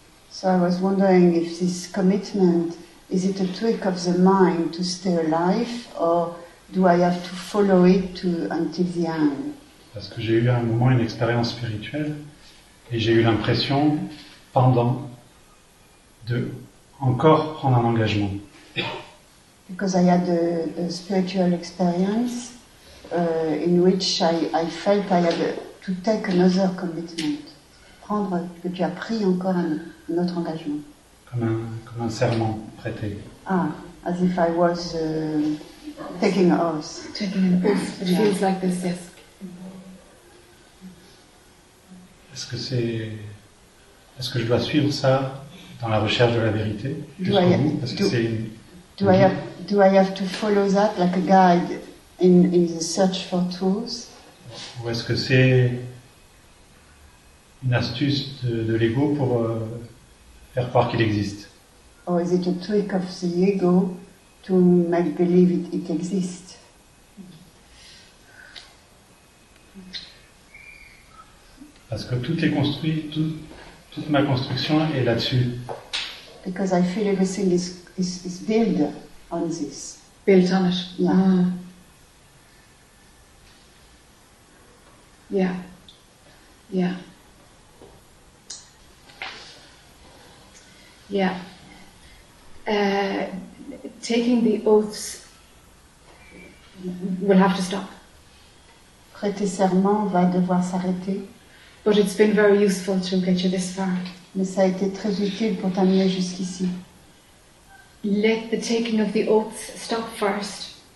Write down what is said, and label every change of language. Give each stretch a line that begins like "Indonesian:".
English: So I was wondering if this commitment, is it a trick of the mind to stay alive, or do I have to follow it until the end?
French: Parce que j'ai eu à un moment une expérience spirituelle, et j'ai eu l'impression, pendant, de encore prendre un engagement.
English: Because I had a spiritual experience in which I felt I had to take another commitment.
French: Prendre que tu as pris encore un autre engagement. Comme un serment prêté.
English: Ah, as if I was taking an oath. Taking an oath. It feels like this, yes.
French: Est-ce que c'est... Est-ce que je dois suivre ça dans la recherche de la vérité?
English: Do I have to follow that like a guide in the search for truth?
French: Ou est-ce que c'est une astuce de l'ego pour faire croire qu'il existe?
English: Or is it a trick of the ego to make believe it exists?
French: Parce que tout est construit, toute ma construction est là-dessus.
English: Because I feel everything is built on this. Built on it. Yeah. Mm. Yeah. Yeah. Yeah. Taking the oaths, will have to stop.
French: Prêter serment va devoir s'arrêter.
English: But it's been very useful to get you this far.
French: Mais ça a été très utile pour t'amener jusqu'ici.
English: Let the taking of the oaths stop first.